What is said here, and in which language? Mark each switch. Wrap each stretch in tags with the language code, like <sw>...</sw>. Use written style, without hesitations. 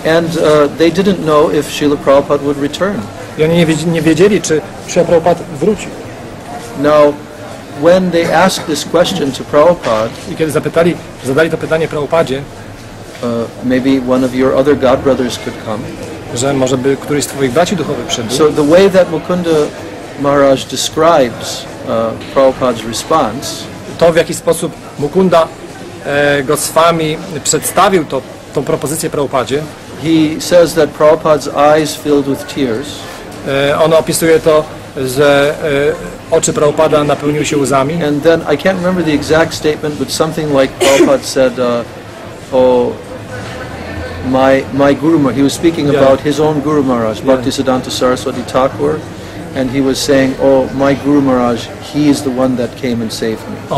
<en>And they didn't know if Srila Prabhupada would return.</en> <pl>I oni nie wiedzieli, czy Srila Prabhupada wróci.</pl> <en>Now, when they asked this question to Prabhupada,</en> <pl>i kiedy zadali to pytanie Prabhupadzie,</pl> <en>maybe one of your other god brothers could come.</en> <pl>Że może by któryś z twoich braci duchowych przybył.</pl> <en>So the way that Mukunda Maharaj describes Prabhupada's response.</en> <pl>To, w jaki sposób Mukunda Goswami przedstawił tą propozycję Prabhupadzie.</pl> <en>He says that Prabhupada's eyes filled with tears.</en> <pl>On opisuje to, że oczy Prabhupada napełniły się łzami.</pl> <en>And then I can't remember the exact statement, but something like Prabhupada said, my Guru Maharaj. He was speaking about his own Guru Maharaj, Bhaktisiddhanta Saraswati Thakur. And he was saying, oh, my Guru Maharaj, he is the one that came and saved me.</en>